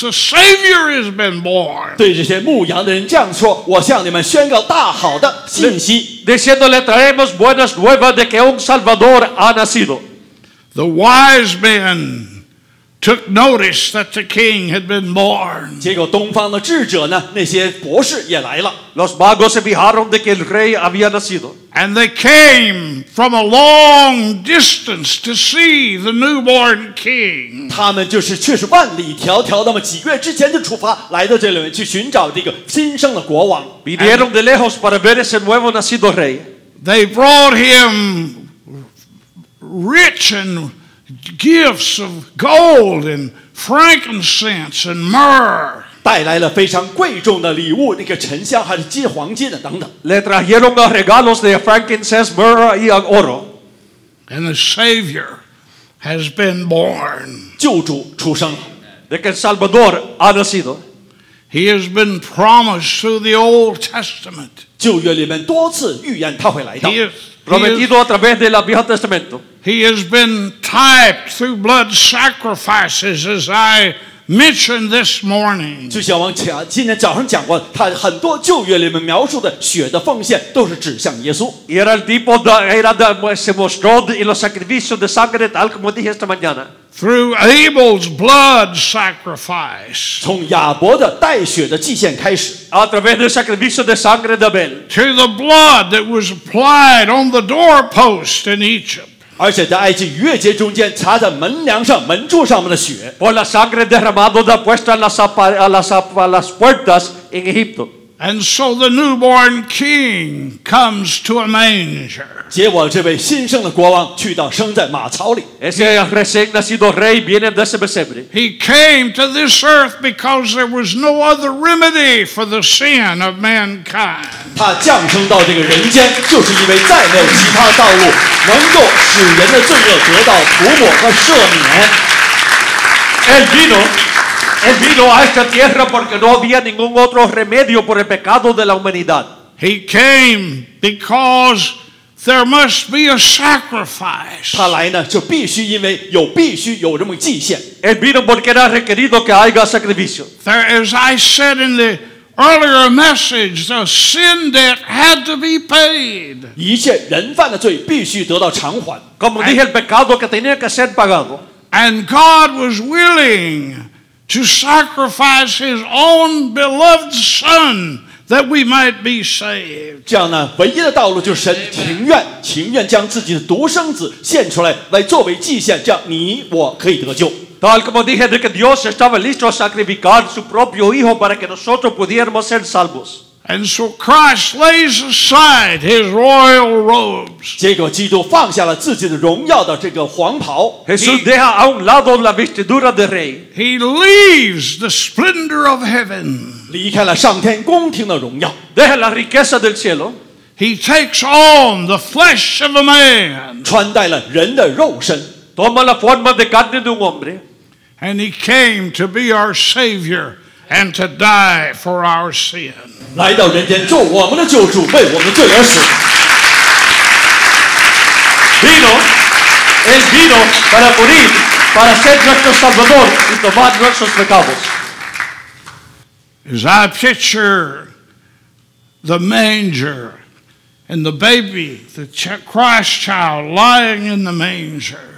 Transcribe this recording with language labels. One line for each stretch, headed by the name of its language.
English: The Savior has been born."
Chinese: 对这些牧羊的人这样说，我向你们宣告大好的信息。
Spanish: Diciéndole traemos buenas nuevas de que un Salvador ha nacido.
English: The wise men took notice that the king had been born.
Chinese: 结果东方的智者呢，那些博士也来了。
Spanish: Los magos se fijaron de que el rey había nacido.
English: And they came from a long distance to see the newborn king.
Chinese: 他们就是却是万里迢迢，那么几个月之前就出发来到这里面去寻找这个新生的国王。
Spanish: Vinieron de lejos para ver ese nuevo nacido rey.
English: They brought him rich and gifts of gold and frankincense and myrrh.
Chinese: 带来了非常贵重的礼物，那个沉香还是金黄金的等等。
Spanish: Le trajeron regalos de frankincense, myrrh y oro.
English: And the Savior has been born.
Chinese: 救主出生。
Spanish: De que el Salvador ha nacido.
English: He has been promised through the Old Testament.
Chinese: 旧约里面多次预言他会来到。
Spanish: Prometido a través del Viejo Testamento.
English: He has been typed through blood sacrifices, as I mentioned this morning.
Chinese: 就像我今天早上讲过，他很多旧约里面描述的血的奉献都是指向耶稣。
Spanish: Era el tipo de era de se mostró en los sacrificios de sangre tal como dije esta mañana.
English: Through Abel's blood sacrifice.
Chinese: 从亚伯的带血的祭献开始。
Spanish: A través del sacrificio de sangre de Abel.
English: To the blood that was applied on the doorpost in Egypt.
Chinese: 而且在埃及逾越节中间擦在门梁上门柱上面的血
Spanish: por la sangre derramado de puesta las puertas en Egipto
English: and so the newborn king comes to a manger
Chinese: 结果这位新生的国王去到生在马槽里
Spanish: ese recién nacido rey viene de ese pesebre
English: he came to this earth because there was no other remedy for the sin of mankind
Chinese: 他降生到这个人间就是因为再没有其他道路能够使人的罪恶得到涂抹和赦免
Spanish: Él vino a esta tierra porque no había ningún otro remedio por el pecado de la humanidad.
English: He came because there must be a sacrifice.
Chinese: 他来呢，就必须因为有必须有这么祭献。
Spanish: Él vino porque era requerido que haya sacrificio.
English: There, as I said in the earlier message, the sin debt had to be paid.
Chinese: 一切人犯的罪必须得到偿还。
Spanish: Como dije, el pecado que tenía que ser pagado.
English: And God was willing. To sacrifice his own beloved son that we might be saved.
Chinese: 这样呢，唯一的道路就是神情愿将自己的独生子献出来，来作为祭献，这样你我可以得救。
Spanish: Tal como dije que Dios estaba listo a sacrificar su propio hijo para que nosotros pudiéramos ser salvos.
English: And so Christ lays aside his royal robes.
Chinese: 结果基督放下了自己的荣耀的这个黄袍。
Spanish: Jesús deja a un lado la vestidura de rey.
English: He leaves the splendor of heaven.
Chinese: 离开了上天宫廷的荣耀。
Spanish: Deja la riqueza del cielo.
English: He takes on the flesh of a man.
Chinese: 穿戴了人的肉身。
Spanish: Toma la forma de carne de un hombre.
English: And he came to be our savior and to die for our sin.
Chinese: 来到人间做我们的救主为我们的罪而死
Spanish: Vino Él vino para morir para ser nuestro salvador y tomar nuestros pecados
English: As I picture the manger and the baby the Christ child lying in the manger